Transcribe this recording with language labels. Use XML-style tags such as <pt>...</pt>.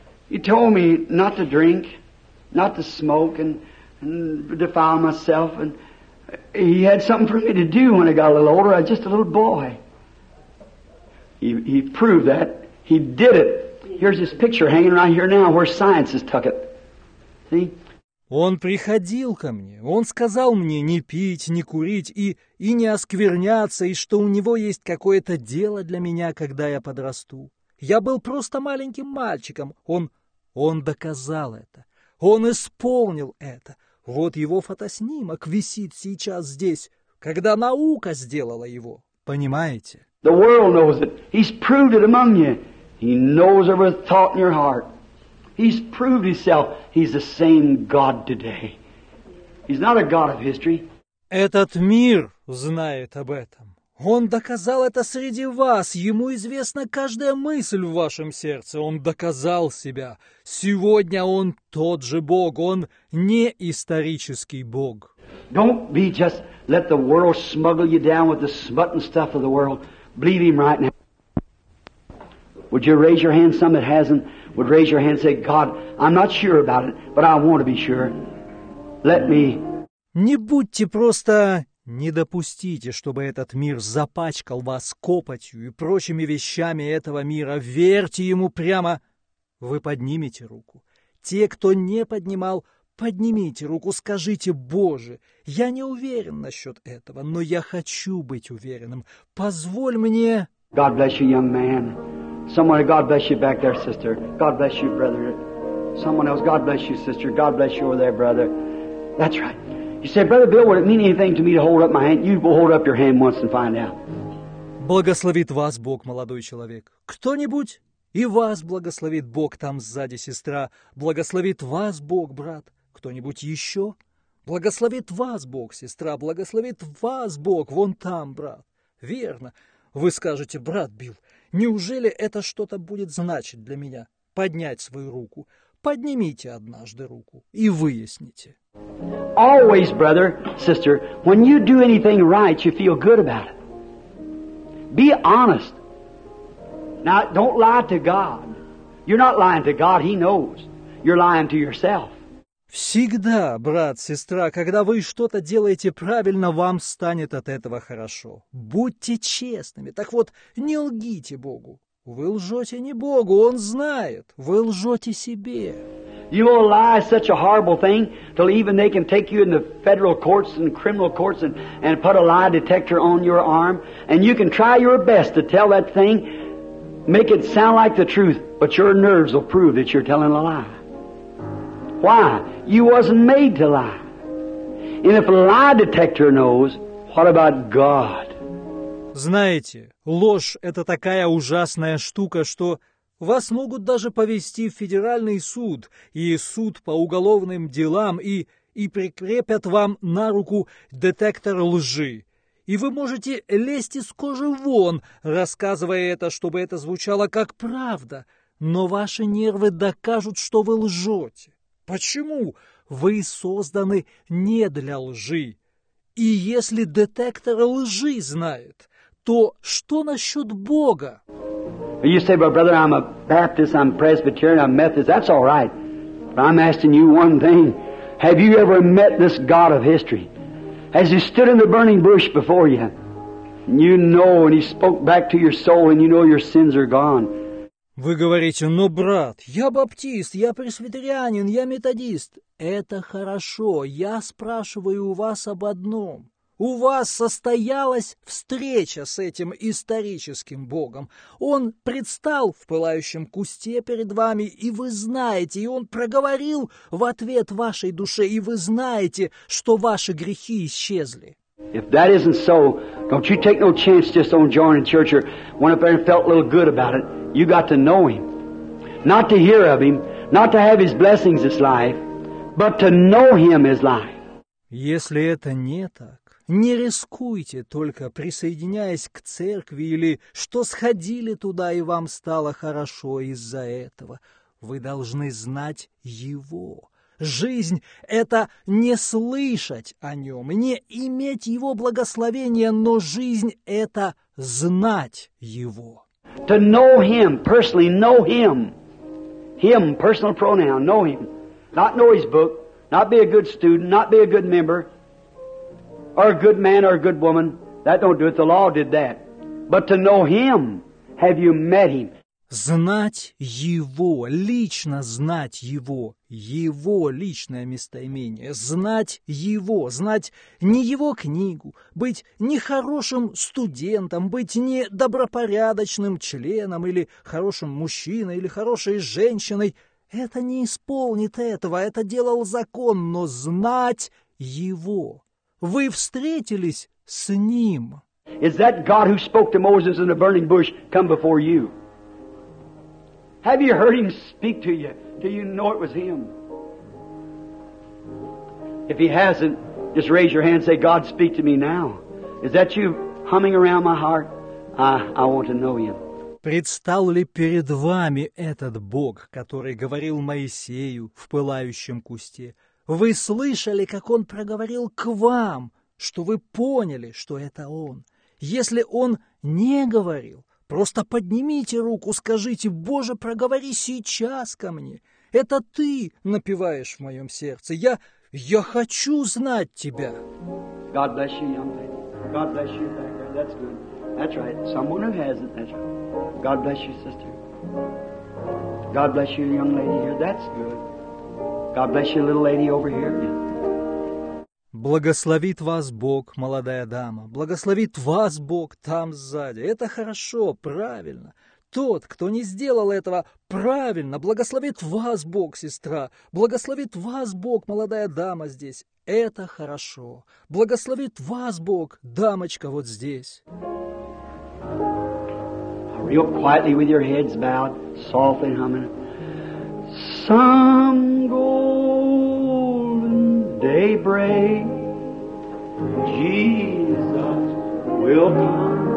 <en>He told me not to drink, not to smoke and defile myself and He had something for me to do when I got a little older. I was just a little boy. He proved that. He did it. Here's this picture hanging right here now where science has tucked it. See?</en> <ru>Он приходил ко мне. Он сказал мне не пить, не курить и не оскверняться, и что у него есть какое-то дело для меня, когда я подрасту. Я был просто маленьким мальчиком. Он доказал это. Он исполнил это. Вот его фотоснимок висит сейчас здесь, когда наука сделала его. Понимаете?</ru> <en>The world knows it. He's proved it among you. He knows every thought in your heart. He's proved himself. He's the same God today. He's not a God of history.</en> <ru>Этот мир знает об этом. Он доказал это среди вас. Ему известна каждая мысль в вашем сердце. Он доказал себя. Сегодня он тот же Бог. Он не исторический Бог.</ru> <en>Don't be just let the world smuggle you down with the smut and stuff of the world. Believe him right now. Would you raise your hand, some that hasn't? Would raise your hand and say, God, I'm not sure about it, but I want to be sure. Let me.</en> <ru>Не будьте просто... Не допустите, чтобы этот мир запачкал вас копотью и прочими вещами этого мира. Верьте ему прямо. Вы поднимете руку. Те, кто не поднимал, поднимите руку. Скажите, Боже, я не уверен насчет этого, но я хочу быть уверенным. Позволь мне...</ru> <en>God bless you, young man. Someone, God bless you back there, sister. God bless you, brother. Someone else, God bless you, sister. God bless you over there, brother. That's right. You say, Brother Bill, would it mean anything to me to hold up my hand? You will hold up your hand once and find out.</en> <ru>Благословит вас Бог, молодой человек. Кто-нибудь? И вас благословит Бог там сзади, сестра. Благословит вас Бог, брат. Кто-нибудь еще? Благословит вас Бог, сестра. Благословит вас Бог вон там, брат. Верно. Вы скажете, брат Билл, неужели это что-то будет значить для меня? Поднять свою руку. Поднимите однажды руку и выясните.</ru> <en>Always, brother, sister, when you do anything right, you feel good about it. Be honest. Now, don't lie to God. You're not lying to God, He knows. You're lying to yourself.</en> <ru>Всегда, брат, сестра, когда вы что-то делаете правильно, вам станет от этого хорошо. Будьте честными. Так вот, не лгите Богу. Вы лжете не Богу, Он знает. Вы лжете себе.</ru> <en>You will lie such a horrible thing till even they can take you in the federal courts and criminal courts and put a lie detector on your arm. And you can try your best to tell that thing, make it sound like the truth, but your nerves will prove that you're telling a lie. Why? You wasn't made to lie. And if a lie detector knows, what about God?</en> <ru>Знаете, ложь — это такая ужасная штука, что... Вас могут даже повести в федеральный суд и суд по уголовным делам и прикрепят вам на руку детектор лжи. И вы можете лезть из кожи вон, рассказывая это, чтобы это звучало как правда. Но ваши нервы докажут, что вы лжете. Почему? Вы созданы не для лжи. И если детектор лжи знает, то что насчет Бога?</ru> <en>You say, well, brother, I'm a Baptist, I'm Presbyterian, I'm Methodist. That's all right. But I'm asking you one thing. Have you ever met this God of history? Has He stood in the burning bush before you? You know, and He spoke back to your soul, and you know your sins are gone.</en> <ru>Вы говорите, но, брат, я баптист, я пресвитерианин, я методист. Это хорошо. Я спрашиваю у вас об одном. У вас состоялась встреча с этим историческим Богом. Он предстал в пылающем кусте перед вами, и вы знаете, и Он проговорил в ответ вашей душе, и вы знаете, что ваши грехи исчезли.</ru> <en>If that isn't so, don't you take no chance just on joining church or went up there and felt a little good about it. You got to know Him. Not to hear of Him, not to have His blessings is life, but to know Him is life.</en> <ru>Если это не так, не рискуйте, только присоединяясь к церкви или что сходили туда и вам стало хорошо из-за этого. Вы должны знать Его. Жизнь — это не слышать о Нем, не иметь Его благословения, но жизнь — это знать Его.</ru> <en>To know Him, personally know Him. Him, personal pronoun, know Him. Not know His book, not be a good student, not be a good member. Or a good man or a good woman, that don't do it. The law did that. But to know Him, have you met Him?</en> <ru>Знать Его, лично знать Его, Его личное местоимение. Знать Его, знать не Его книгу, быть не хорошим студентом, быть не добропорядочным членом или хорошим мужчиной или хорошей женщиной. Это не исполнит этого, это делал закон, но знать Его. Вы встретились с Ним.</ru> <en>Is that God who spoke to Moses in the burning bush come before you? Have you heard Him speak to you? Do you know it was Him? If He hasn't, just raise your hand and say, God, speak to me now. Is that you humming around my heart? I want to know Him.</en> <ru>Предстал ли перед вами этот Бог, который говорил Моисею в пылающем кусте? Вы слышали, как Он проговорил к вам, что вы поняли, что это Он? Если Он не говорил, просто поднимите руку, скажите, «Боже, проговори сейчас ко мне! Это Ты напеваешь в моем сердце! Я хочу знать Тебя!»</ru> <en>God bless you, young lady. God bless you, that's good. That's right. Someone who has it, that's right. God bless you, sister. God bless you, young lady here. That's good. God bless you, little lady over here.</en> <ru>Благословит вас Бог, молодая дама. Благословит вас Бог там сзади. Это хорошо, правильно. Тот, кто не сделал этого, правильно. Благословит вас Бог, сестра. Благословит вас Бог, молодая дама здесь. Это хорошо. Благословит вас Бог, дамочка вот здесь.</ru> <en>Real quietly with your heads bowed, softly humming. Some golden day break, Jesus will come.</en>